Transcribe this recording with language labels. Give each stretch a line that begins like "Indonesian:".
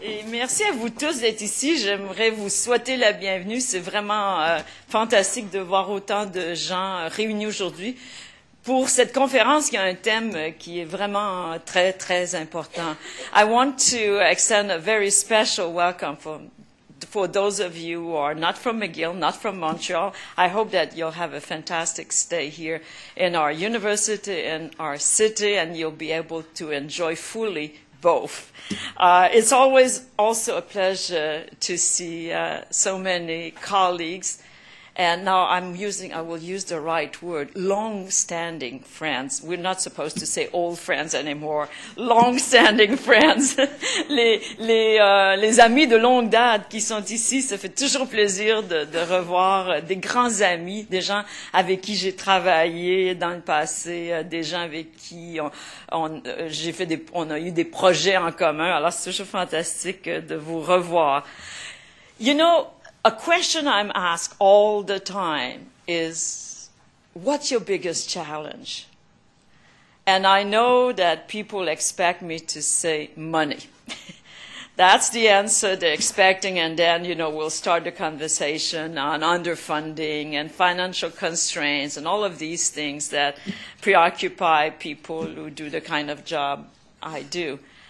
French: Merci à vous tous d'être ici. J'aimerais vous souhaiter la bienvenue. C'est vraiment fantastique de voir autant de gens réunis aujourd'hui pour cette conférence qui a un thème qui est vraiment très, très important.
English: I want to extend a very special welcome for those of you who are not from McGill, not from Montreal. I hope that you'll have a fantastic stay here in our university, in our city, and you'll be able to enjoy fully both. It's always also a pleasure to see so many colleagues, and now I will use the right word, long-standing friends. We're not supposed to say old friends anymore. Long-standing friends.
French: les amis de longue date qui sont ici, ça fait toujours plaisir de revoir des grands amis, des gens avec qui j'ai travaillé dans le passé, des gens avec qui on a eu des projets en commun. Alors c'est toujours fantastique de vous revoir.
English: You know, a question I'm asked all the time is, what's your biggest challenge? And I know that people expect me to say money. That's the answer they're expecting, and then, you know, we'll start the conversation on underfunding and financial constraints and all of these things that preoccupy people who do the kind of job I do.